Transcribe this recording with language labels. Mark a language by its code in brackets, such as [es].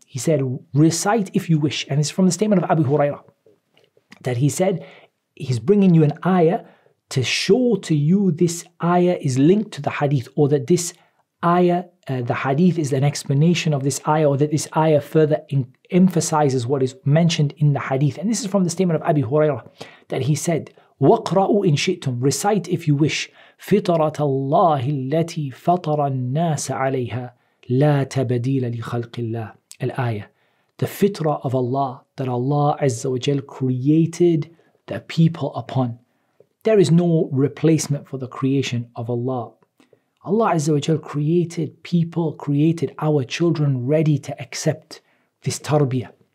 [en] He said, recite if you wish. And it's from the statement of Abu Huraira that he said, he's bringing you an ayah to show to you this ayah is linked to the hadith, or that this ayah, the hadith is an explanation of this ayah, or that this ayah further emphasizes what is mentioned in the hadith. And this is from the statement of Abu Huraira that he said, [ar] وَقْرَأُوا إِن شِئْتُمْ. [en] Recite if you wish. [ar] فِطَرَةَ اللَّهِ الَّتِي فَطَرَ النَّاسَ عَلَيْهَا لا تبديل لخلق الله الآية. [en] The fitrah of Allah, that Allah Azza wa Jal created the people upon. There is no replacement for the creation of Allah. Allah Azza wa Jal created people, created our children ready to accept this tarbiyah.